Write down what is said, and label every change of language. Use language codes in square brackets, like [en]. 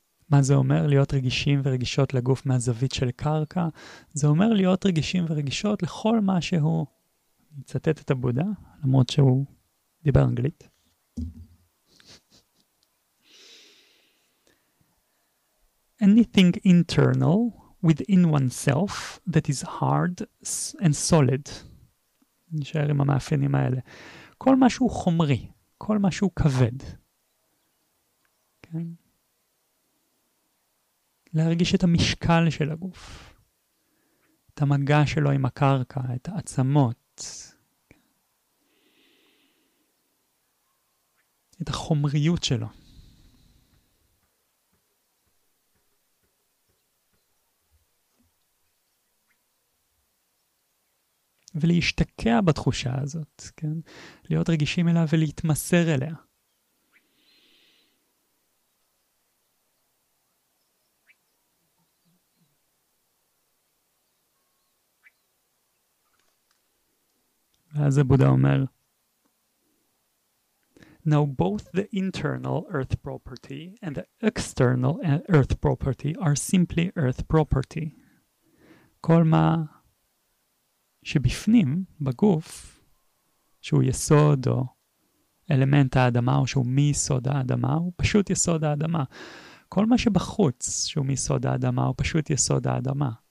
[he] מה זה אומר להיות רגישים ורגישות לגוף מהזווית של קרקע? זה אומר להיות רגישים ורגישות לכל מה שהוא, אני אצטט את הבודה, למרות שהוא דיבר אנגלית. [en] Anything internal within oneself that is hard and solid. [he] נשאר עם המאפיינים האלה. כל משהו חומרי, כל משהו כבד. כן? להרגיש את המשקל של הגוף, את המגע שלו עם הקרקע, את העצמות, את החומריות שלו. ולהשתקע בתחושה הזאת, כן? להיות רגישים אליה ולהתמסר אליה. ואז הבודה אומר, [en] Now both the internal earth property and the external earth property are simply earth property. [he] כל מה שבפנים, בגוף, שהוא יסוד או אלמנט האדמה, או שהוא מיסוד האדמה, הוא פשוט יסוד האדמה. כל מה שבחוץ שהוא מיסוד האדמה, הוא פשוט יסוד האדמה.